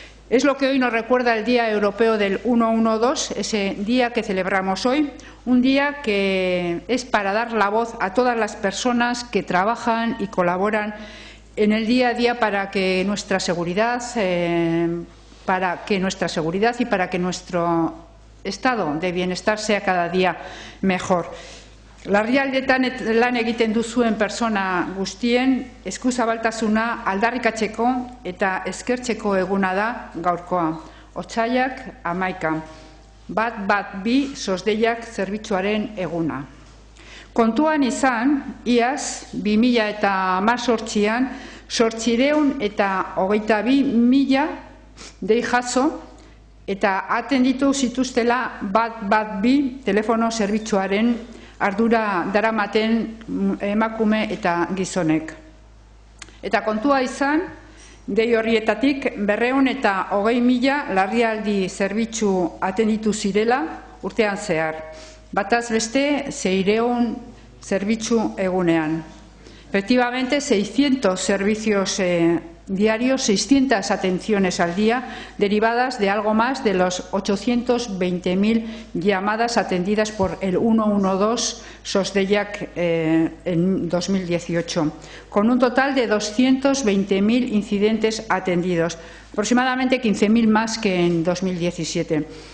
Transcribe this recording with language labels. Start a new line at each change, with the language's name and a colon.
Spanish: Es lo que hoy nos recuerda el Día Europeo del 112, ese día que celebramos hoy, un día que es para dar la voz a todas las personas que trabajan y colaboran en el día a día para que nuestra seguridad, y para que nuestro estado de bienestar sea cada día mejor.
Basque: Larrialdietan lan egiten duzuen pertsona guztien, eskuza baltasuna aldarrikatzeko eta eskertzeko eguna da gaurkoa. Otsaiak 11. 112 sosdeiak zerbitzuaren eguna. Kontuan izan, iaz, 2018an, 822.000 dei jaso eta atenditu zituztela 112 telefono zerbitzuaren ardura daramaten emakume eta gizonek. Eta kontua izan, dei horrietatik 220.000 larrialdi zerbitzu atenditu zirela urtean zehar. Bataz beste 600 zerbitzu egunean.
Spanish: Efectivamente, 600 servicios diarios, 600 atenciones al día, derivadas de algo más de los 820.000 llamadas atendidas por el 112 Sosdeiak en 2018, con un total de 220.000 incidentes atendidos, aproximadamente 15.000 más que en 2017.